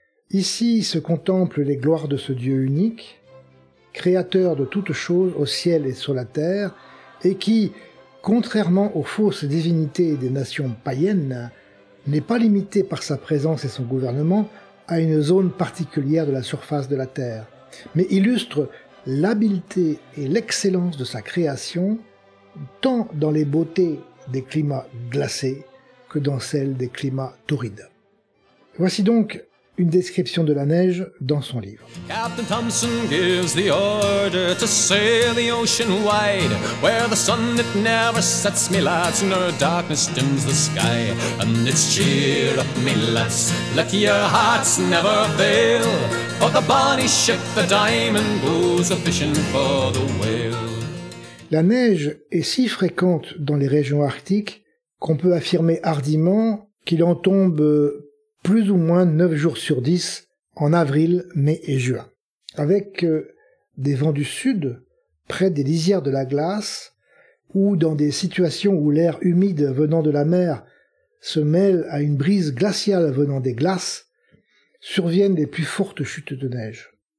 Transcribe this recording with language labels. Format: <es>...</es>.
<fr>Ici se contemplent les gloires de ce Dieu unique, créateur de toutes choses au ciel et sur la terre, et qui, contrairement aux fausses divinités des nations païennes, n'est pas limité par sa présence et son gouvernement à une zone particulière de la surface de la Terre, mais illustre l'habileté et l'excellence de sa création tant dans les beautés des climats glacés que dans celles des climats torrides. Voici donc une description de la neige dans son livre.</fr> <en>Captain Thompson gives the order to sail the ocean wide, where the sun it never sets, me lads, nor darkness dims the sky. And it's cheer up, me lads, let your hearts never fail, for the bonny ship, the diamond, goes a fishing for the whale.</en> <fr>La neige est si fréquente dans les régions arctiques qu'on peut affirmer hardiment qu'il en tombe plus ou moins 9 jours sur 10 en avril, mai et juin, avec des vents du sud, près des lisières de la glace, ou dans des situations où l'air humide venant de la mer se mêle à une brise glaciale venant des glaces, surviennent les plus fortes chutes de neige.</fr>